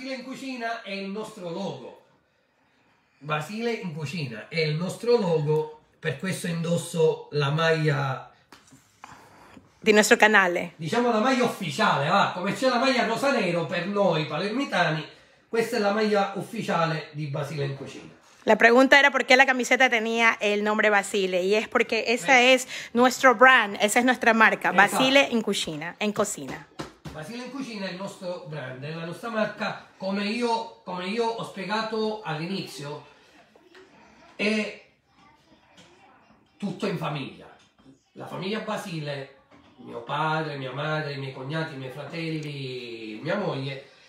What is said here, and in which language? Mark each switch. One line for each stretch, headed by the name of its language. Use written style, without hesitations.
Italian: in cucina è il nostro logo. Basile in cucina è il nostro logo, per questo indosso la maglia di nostro canale. Diciamo la maglia ufficiale, va, come c'è la maglia rosa nero per noi palermitani, questa è la maglia ufficiale di Basile in cucina.
Spanish: La pregunta era perché la camiseta tenía el nombre Basile, y es porque esa es nuestro brand, esa es nuestra marca, Basile in cucina, en cocina.
Italian: Basile in cucina è il nostro brand, è la nostra marca, come io ho spiegato all'inizio, è tutto in famiglia. La famiglia Basile, mio padre, mia madre, i miei cognati, i miei fratelli, mia moglie,